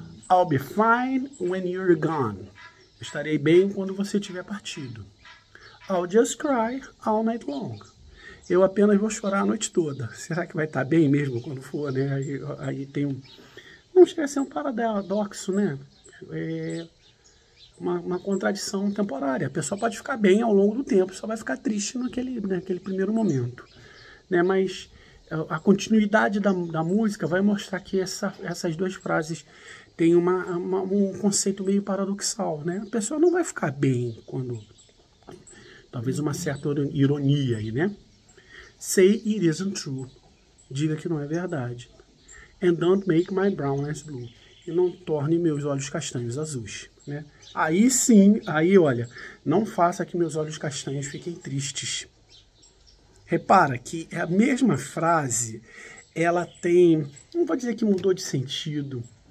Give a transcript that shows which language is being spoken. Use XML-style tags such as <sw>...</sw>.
<en>I'll be fine when you're gone.</en> <pt>Estarei bem quando você tiver partido.</pt> <en>I'll just cry all night long.</en> <pt>Eu apenas vou chorar a noite toda. Será que vai estar bem mesmo quando for, né? Aí tem um. Não chega a ser um paradoxo, né? É uma contradição temporária. A pessoa pode ficar bem ao longo do tempo, só vai ficar triste naquele primeiro momento, né? Mas a continuidade da música vai mostrar que essas duas frases tem um conceito meio paradoxal, né? A pessoa não vai ficar bem quando. Talvez uma certa ironia aí, né?</pt> <en>Say it isn't true.</en> <pt>Diga que não é verdade.</pt> <en>And don't make my brown eyes blue.</en> <pt>E não torne meus olhos castanhos azuis, né? Aí sim, aí olha, não faça que meus olhos castanhos fiquem tristes. Repara que a mesma frase, ela tem, não vou dizer que mudou de sentido.</pt>